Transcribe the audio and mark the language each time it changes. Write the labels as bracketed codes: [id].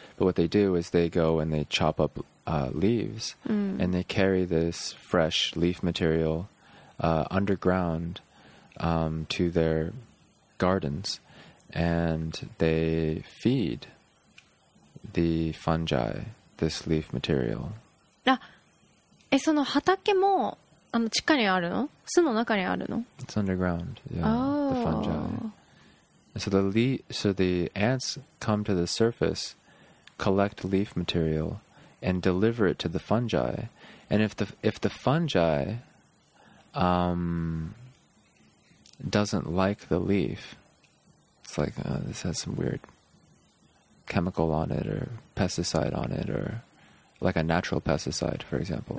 [en] But what they do is they go and they chop up leaves, and they carry this fresh leaf material underground to their gardens. And they feed the fungi this leaf material. [ja] その畑も地下にあるの？巣の中にあるの？ [en] It's underground, yeah, the fungi. So the ants come to the surface, collect leaf material, and deliver it to the fungi. And if the fungi doesn't like the leaf, it's like this has some weird chemical on it or pesticide on it or like a natural pesticide, for example.